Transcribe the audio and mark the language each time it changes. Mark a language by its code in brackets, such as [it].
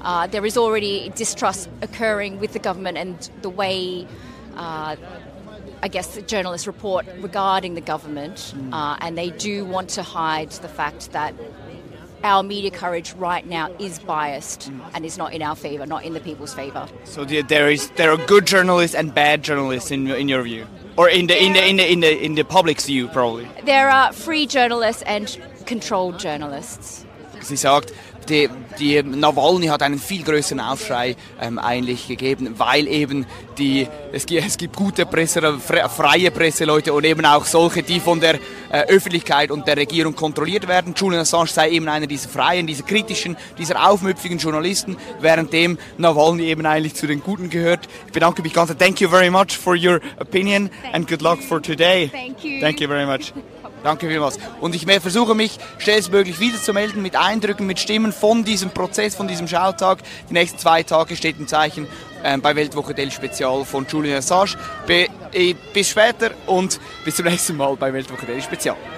[en] There is already distrust occurring with the government and the way, I guess, the journalists report regarding the government, and they do want to hide the fact that our media coverage right now is biased and is not in our favour, not in the people's favour. So there are good journalists and bad journalists in your view, or in the public's view, probably. There are free journalists and controlled journalists. [de] Sie sagt, die Nawalny hat einen viel größeren Aufschrei eigentlich gegeben, weil eben es gibt gute Presse, freie Presseleute und eben auch solche, die von der Öffentlichkeit und der Regierung kontrolliert werden. Julian Assange sei eben einer dieser freien, dieser kritischen, dieser aufmüpfigen Journalisten, währenddem Nawalny eben eigentlich zu den Guten gehört. Ich bedanke mich ganz herzlich. [en] Thank you very much for your opinion and good luck for today. Thank you very much. [de] Danke vielmals. Und ich versuche mich schnellstmöglich wieder zu melden mit Eindrücken, mit Stimmen von diesem Prozess, von diesem Schautag. Die nächsten zwei Tage steht im Zeichen bei Weltwoche Del Spezial von Julian Assange. Bis später und bis zum nächsten Mal bei Weltwoche Del Spezial.